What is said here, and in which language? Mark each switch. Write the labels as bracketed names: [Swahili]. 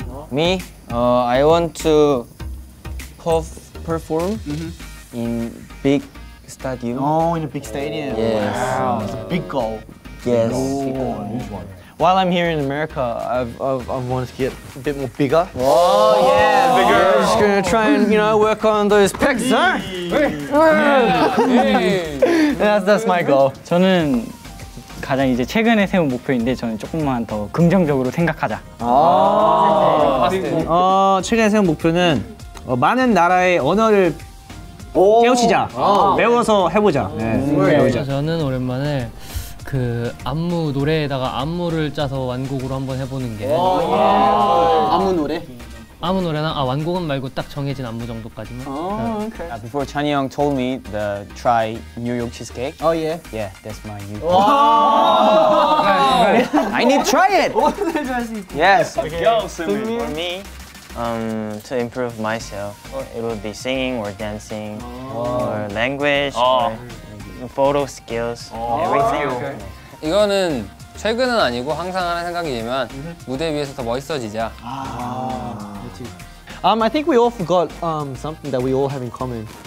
[English] Me? I want to perform in big stadium. Oh, in a big stadium. Yes. Wow, it's a big goal. Yes. No. While I'm here in America, I've wanted to get a bit more bigger. Oh yeah, bigger. I'm just gonna try and, you know, work on those pecs, huh? That's my goal. [Korean] 저는 가장 이제 최근에 세운 목표인데 저는 조금만 더 긍정적으로 생각하자. 아, 최근에 세운 목표는 많은 나라의 언어를 깨우치자. 외워서 해보자. 외우자. 저는 오랜만에 그 안무 노래에다가 안무를 짜서 완곡으로 한번 해보는 게 오, 예. 안무 노래? 아무 노래나 아 완곡은 말고 딱 정해진 안무 정도까지만. [English] Oh, okay. Before Chani Young told me the try New York cheesecake. Oh yeah. Yeah, that's my new. Oh. I need to try it. Yes. Okay. Go, Seungmin. For me, to improve myself, it would be singing or dancing or language. Photo skills, everything. Okay. [Korean] 이거는 최근은 아니고 항상 하는 생각이지만 무대 위에서 더 멋있어지자. [English] I think we all forgot something that we all have in common.